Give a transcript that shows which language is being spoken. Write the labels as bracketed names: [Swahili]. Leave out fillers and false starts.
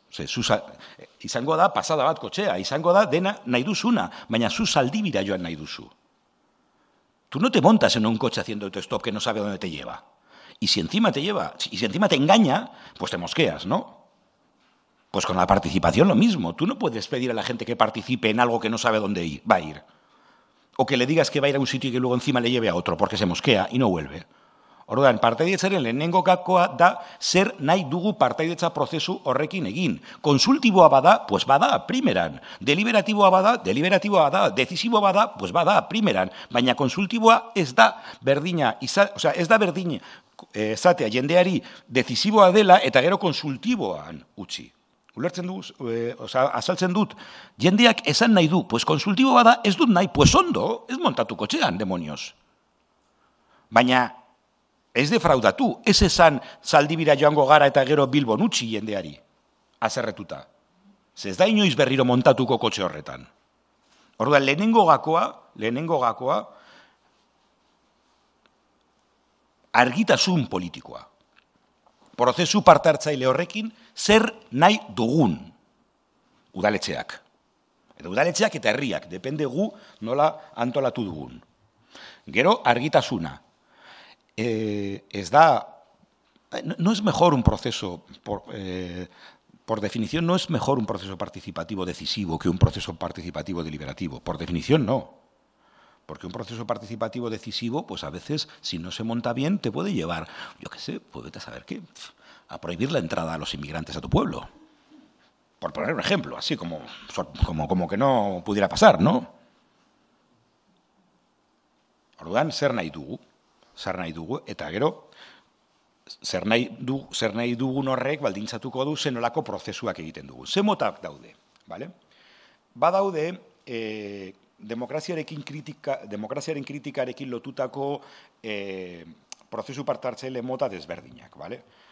[Basque] Ze, izango da pasada bat kotxea, izango da dena nahi duzuna, baina zu Zaldibira joan nahi duzu. [Spanish] Tu no te montas en un coche haciendo autostop que no sabe dónde te lleva. Y si encima te lleva, y si encima te engaña, pues te mosqueas, ¿no? Pues con la participación lo mismo. Tú no puedes pedir a la gente que participe en algo que no sabe dónde va a ir. O que le digas que va a ir a un sitio y que luego encima le lleve a otro porque se mosquea y no vuelve. [Basque] Orduan, partaidetzaren lehenengo gakoa da zer nahi dugu partaidetza prozesu horrekin egin. Konsultiboa bada, pues bada, primeran. Deliberatiboa bada, decisiboa bada, pues bada, primeran. Baina konsultiboa ez da berdina, ez da berdina esatea jendeari decisiboa dela eta gero konsultiboan utzi. Ulertzen dugu, azaltzen dut, jendeak esan nahi du, pues konsultibo bada, ez dut nahi, pues ondo, ez montatu kotxean, demonios. Baina, ez defraudatu, ez esan Zaldibira joango gara eta gero Bilbon utzi jendeari, azerretuta. Ez da inoiz berriro montatuko kotxe horretan. Orduan, lehenengo gakoa, argitasun politikoa. Prozesu parte hartzaile horrekin, zer nahi dugun udaletxeak. Eta udaletxeak eta herriak, depende gu nola antolatu dugun. Gero, argitasuna. [Spanish] Ez da, no es mejor un proceso, por definición, no es mejor un proceso participativo decisivo que un proceso participativo deliberativo. Por definición, no. Porque un proceso participativo decisivo, pues a veces, si no se monta bien, te puede llevar, yo qué sé, pues vete a saber qué, a prohibir la entrada a los inmigrantes a tu pueblo. Por poner un ejemplo, así como que no pudiera pasar, ¿no? [Basque] Orduan, zer nahi dugu, eta gero, zer nahi dugun horrek baldintzatuko du zenolako prozesuak egiten dugu. Ze motak daude, ¿vale? Badaude, demokraziaren kritikarekin lotutako prozesu partartzaile mota desberdinak, ¿vale?